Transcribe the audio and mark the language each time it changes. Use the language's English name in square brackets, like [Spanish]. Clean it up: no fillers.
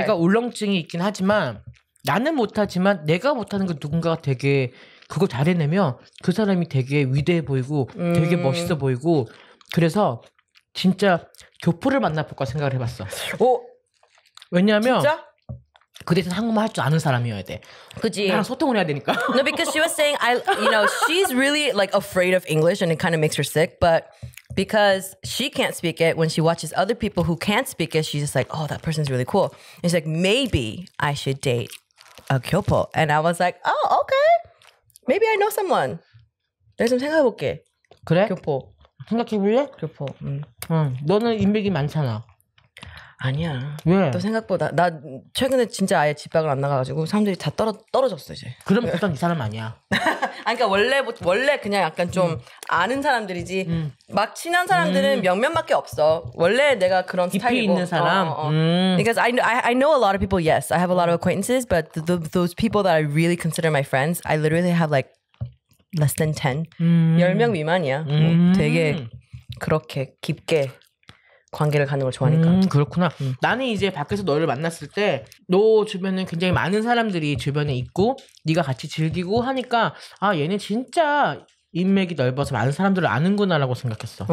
[Korean] 내가 울렁증이 있긴 하지만 나는 못하지만 내가 못하는 거 누군가가 되게 그거 잘해내면 그 사람이 되게 위대해 보이고 되게 멋있어 보이고 그래서 진짜 교포를 만나볼까 생각을 해봤어. 오, 왜냐하면 진짜? 그 대신 한국말 할 줄 아는 사람이어야 돼. 그지. 나랑 소통을 해야 되니까. [English] No, because she was saying I, you know, she's really like afraid of English and it kind of makes her sick, but. Because she can't speak it, when she watches other people who can't speak it, she's just like, oh, that person's really cool. And she's like, maybe I should date a Kyopo. And I was like, oh, okay. Maybe I know someone. [Korean] 내가 좀 생각해볼게. 그래? 교포. 생각해볼래? 교포. 너는 인맥이 많잖아. 아니야. 왜? 너 생각보다. 나 최근에 진짜 아예 집 밖을 안 나가가지고 사람들이 다 떨어졌어, 이제. 그럼 보통 이 사람 아니야. 아니, 그러니까 원래 그냥 약간 좀 아는 사람들이지. 막 친한 사람들은 몇몇밖에 없어. 원래 내가 그런 깊이 스타일이고. 깊이 있는 사람. [English] Because I know a lot of people, yes. I have a lot of acquaintances, but those people that I really consider my friends, I literally have like less than 10. [Korean] 10명 미만이야. 되게 그렇게 깊게 관계를 갖는 걸 좋아하니까. 그렇구나. 나는 이제 밖에서 너를 만났을 때 너 주변에 굉장히 많은 사람들이 주변에 있고 네가 같이 즐기고 하니까 아 얘네 진짜 인맥이 넓어서 많은 사람들을 아는구나 라고 생각했어.